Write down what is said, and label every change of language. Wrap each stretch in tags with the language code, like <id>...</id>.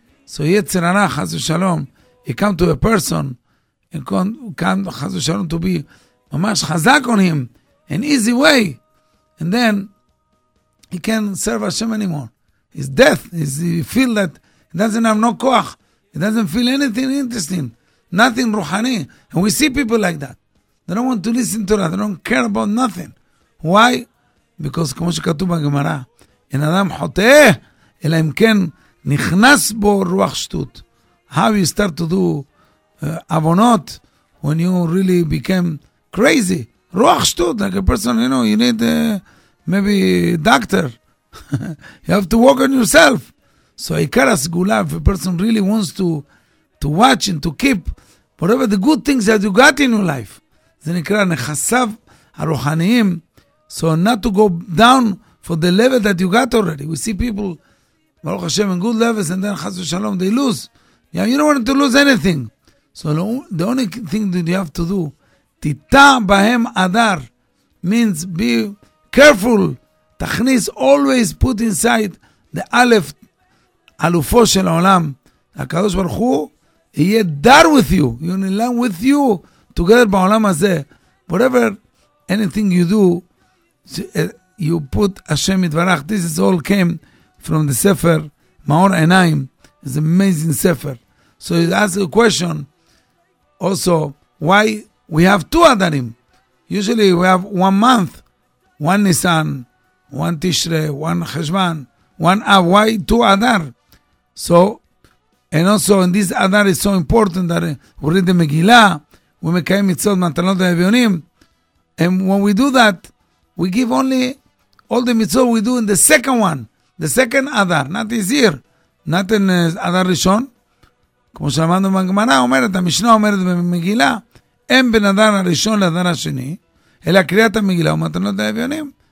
<en>So Yetzer Hara, Chas V'Shalom, he come to a person, and come Chas V'Shalom to be</en> <he>mamash chazak</he> <en>on him, an easy way. And then, he can't serve Hashem anymore. His death, his, he feel that he doesn't have no koach, he doesn't feel anything interesting, nothing ruhani. And we see people like that. They don't want to listen to that, they don't care about nothing. Why? Because,</en> <he>כמו שכתוב בגמרא, אין אדם חוטא, אלא אם כן נכנס בו רוח שטות.</he> <en>How you start to do avonot when you really became crazy.</en> <he>רוח שטות,</he> <en>like a person, you know, you need maybe a doctor. You have to work on yourself. So</en> <he>עיקר הסגולה,</he> <en>if a person really wants to watch and to keep whatever the good things that you got in your life,</en> <he>זה נקרא נכסיו הרוחניים,</he> <en>so not to go down for the level that you got already. We see people, Baruch Hashem, in good levels, and then Chas V'Shalom, they lose. Yeah, you don't want to lose anything. So the only thing that you have to do,</en> <he>Tita Bahem Adar,</he> <en>means be careful. Tachnis always put inside the Aleph, Alufo Shel Olam,</en> <he>הקדוש ברוך הוא יהיה דר</he> <en>with you, you will learn with you together</en> <he>בעולם הזה.</he> <en>Whatever, anything you do, you put Hashem יתברך. This is all came from the Sefer, Maor Enayim, it's an amazing Sefer. So he asked a question, also, why we have two Adarim? Usually we have 1 month, one Nisan, one Tishre, one Cheshvan, one Av, why two Adar? So, and also, and this Adar is so important that we read the Megillah, we make mitzvot matanot ha'evyonim, and when we do that, we give only all the mitzvot we do in the second one, the second Adar, not this year, not in Adar Rishon.</en> <he>כמו שאמרנו בגמרא, אומרת, המשנה אומרת במגילה, אין בין הדר הראשון לדר השני, אלא קריאת המגילה ומתנות האביונים.</he>